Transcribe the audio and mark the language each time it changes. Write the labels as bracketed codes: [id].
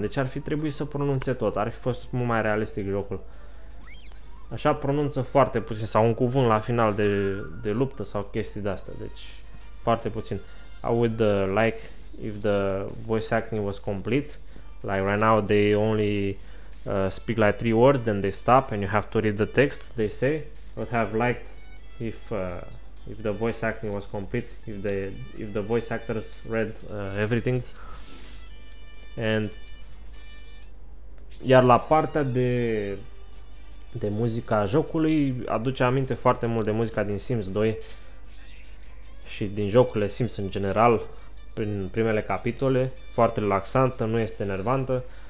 [ro] Deci ar fi trebuit să pronunțe tot, ar fi fost mult mai realistic jocul. Așa pronunță foarte puțin sau un cuvânt la final de luptă sau chestii de astea. Deci foarte puțin. [en] I would like if the voice acting was complete. Like right now they only speak like three words, then they stop and you have to read the text they say. I would have liked if if the voice acting was complete, if the voice actors read everything. [ro] And iar la partea de muzica jocului aduce aminte foarte mult de muzica din Sims 2 și din jocurile Sims în general, prin primele capitole, foarte relaxantă, nu este enervantă.